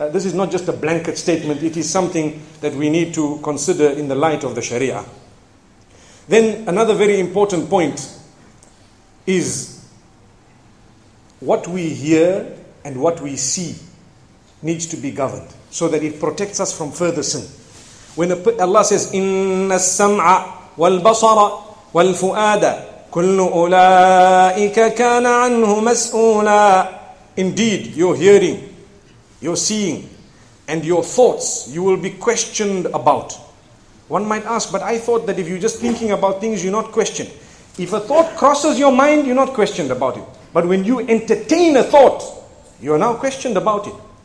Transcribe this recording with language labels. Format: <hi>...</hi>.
<en>This is not just a blanket statement. It is something that we need to consider in the light of the Sharia. Then another very important point is what we hear and what we see needs to be governed so that it protects us from further sin. When Allah says,</en> <ar>إِنَّ السَّمْعَ وَالْبَصَرَ وَالْفُؤَادَ كُلُّ أُولَٰئِكَ كَانَ عَنْهُ مَسْئُولًا.</ar> <en>Indeed, your hearing, your seeing, and your thoughts, you will be questioned about. One might ask, but I thought that if you're just thinking about things, you're not questioned. If a thought crosses your mind, you're not questioned about it. But when you entertain a thought, you're now questioned about it.</en>